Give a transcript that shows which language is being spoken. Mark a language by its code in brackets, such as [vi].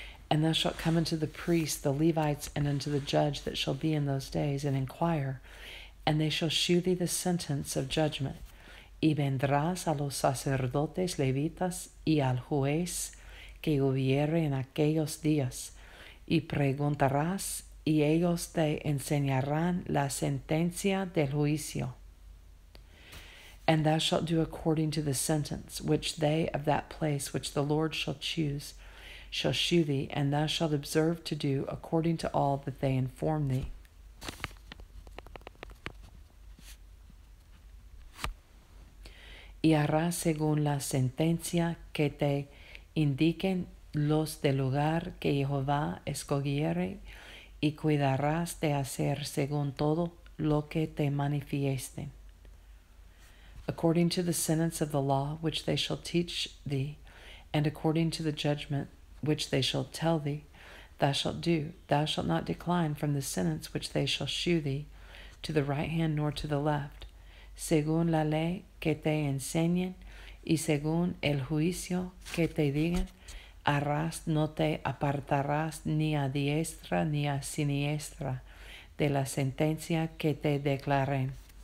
[en] And thou shalt come unto the priests, the Levites, and unto the judge that shall be in those days, and inquire, and they shall shew thee the sentence of judgment. [es] Y vendrás a los sacerdotes levitas y al juez que hubiere en aquellos días, y preguntarás, y ellos te enseñarán la sentencia del juicio. [en] And thou shalt do according to the sentence which they of that place which the Lord shall choose shall shew thee, and thou shalt observe to do according to all that they inform thee. [es] Y harás según la sentencia que te indiquen los del lugar que Jehová escogiere, y cuidarás de hacer según todo lo que te manifiesten. [en] According to the sentence of the law which they shall teach thee, and according to the judgment which they shall tell thee, thou shalt do. Thou shalt not decline from the sentence which they shall shew thee, to the right hand nor to the left. [es] Según la ley que te enseñen y según el juicio que te digan, harás, no te apartarás ni a diestra ni a siniestra de la sentencia que te declaren.